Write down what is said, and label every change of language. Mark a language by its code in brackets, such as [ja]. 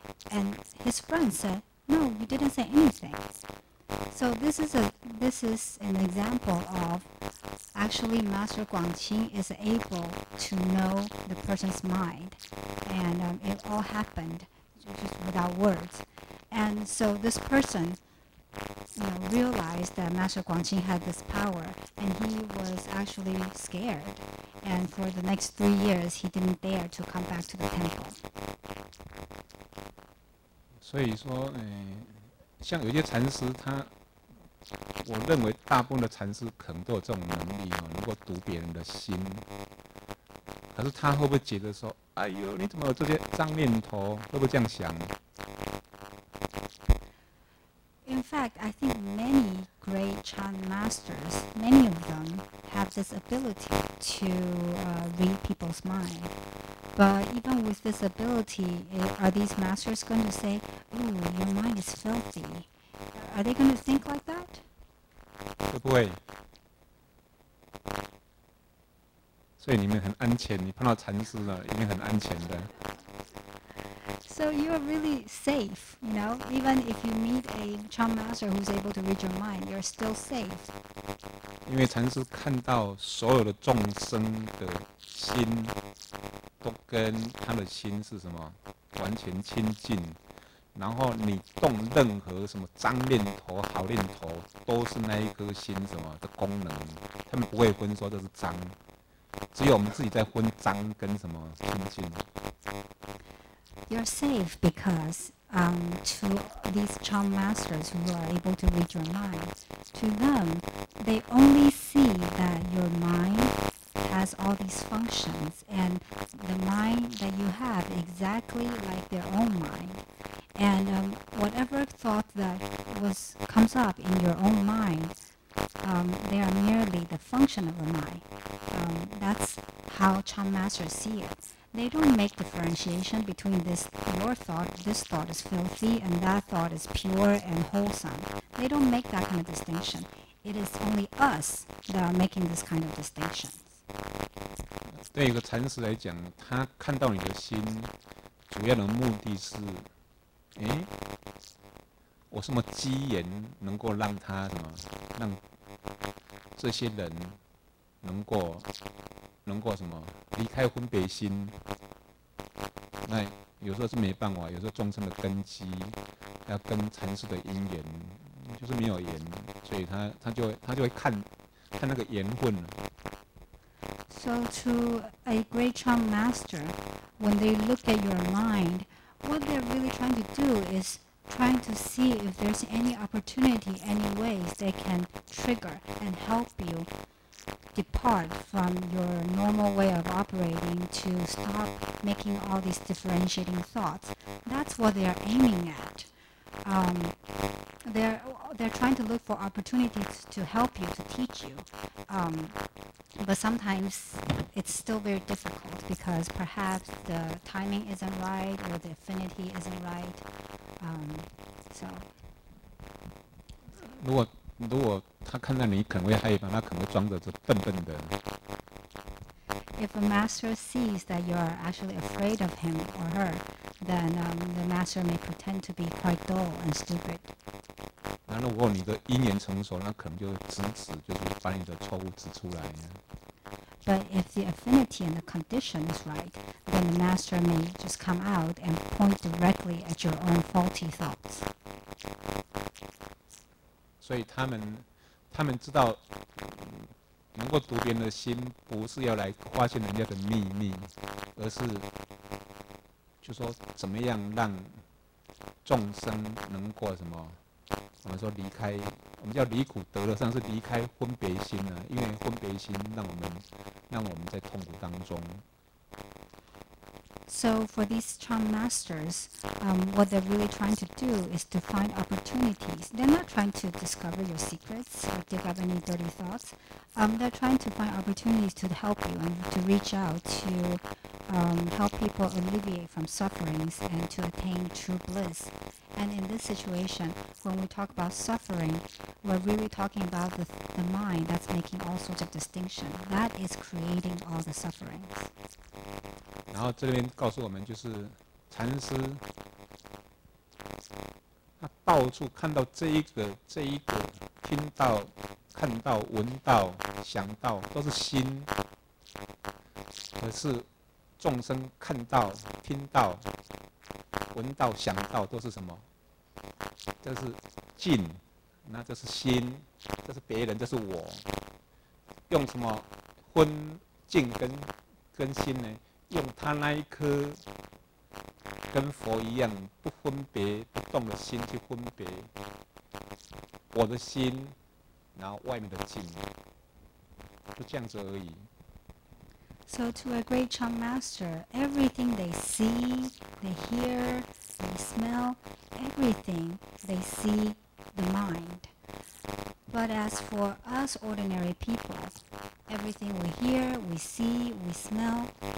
[en] And his friend said, "No, you didn't say anything." So this is an example of actually Master Guangqing is able to know the person's mind, and it all happened just without words. And so this person realized that Master Guangqing had this power, and he was actually scared. And for the next 3 years, he didn't dare to come back to the temple. [zh] 所以说，像有些禅师他，我认为大部分的禅师可能都有这种能力哦，能够读别人的心。可是他会不会觉得说，哎呦，你怎么有这些脏念头？会不会这样想 [en] ？In fact, I think many great Chan masters, many of them have this ability to read people's mind. But even with this ability, are these masters going to say, "Ooh, your mind is filthy"? Are they going to think like that? [zh] 会不会？所以你们很安全，你碰到禅师了，一定很安全的。 [en] So you are really safe, you know. Even if you meet a Chan master who's able to read your mind, you're still safe. [zh] 因为禅师看到所有的众生的心，都跟他的心是什么完全亲近，然后你动任何什么脏念头、好念头，都是那一颗心什么的功能，他们不会分说这是脏，只有我们自己在分脏跟什么亲近。 [en] You're safe because to these Chan masters who are able to read your mind, to them, they only see that your mind has all these functions, and the mind that you have exactly like their own mind. And whatever thought that comes up in your own mind, they are merely the function of the mind. That's how Chan masters see it. They don't make differentiation between this thought is filthy, and that thought is pure and wholesome. They don't make that kind of distinction. It is only us that are making this kind of distinction. [zh] 对一个禅师来讲，他看到你的心，主要的目的是，我什么机缘能够让他什么，让这些人能够什么离开分别心，那有时候是没办法，有时候众生的根基要跟禅师的因缘，就是没有缘，所以他就会看那个缘分了。 [en] So to a great Chan master, when they look at your mind, what they're really trying to do is trying to see if there's any opportunity, any ways they can trigger and help you depart from your normal way of operating to stop making all these differentiating thoughts. That's what they are aiming at. They're trying to look for opportunities to help you, to teach you. But sometimes it's still very difficult because perhaps the timing isn't right or the affinity isn't right. So. [zh] 如果他看到你可能会害怕，他可能会装着笨笨的。 [en] If a master sees that you are actually afraid of him or her, then the master may pretend to be quite dull and stupid. [zh] 那如果你的因缘成熟，那可能就指指，就是把你的错误指出来。 [en] But if the affinity and the condition is right, then the master may just come out and point directly at your own faulty thoughts. [zh] 所以他们知道，能够读别人的心，不是要来发现人家的秘密，而是就说怎么样让众生能够什么？我们说离开，我们叫离苦得乐，上是离开分别心呢、啊，因为分别心让我们在痛苦当中。 [en] So for these Chan masters, what they're really trying to do is to find opportunities. They're not trying to discover your secrets or dig up any dirty thoughts. They're trying to find opportunities to help you and to reach out to help people alleviate from sufferings and to attain true bliss. And in this situation, when we talk about suffering, we're really talking about the mind that's making all sorts of distinction. That is creating all the sufferings. [zh] 然后这边告诉我们，就是禅师他到处看到这一个听到看到闻到想到都是心，可是众生看到听到闻到想到都是什么？这是境，那这是心，这是别人，这是我，用什么分境跟心呢？用他那一颗跟佛一样不分别不动的心去分别我的心，然后外面的境，就这样子而已。 [en] So to a great Chan master, everything they see, they hear, they smell, everything they see the mind. But as for us ordinary people, everything we hear, we see, we smell.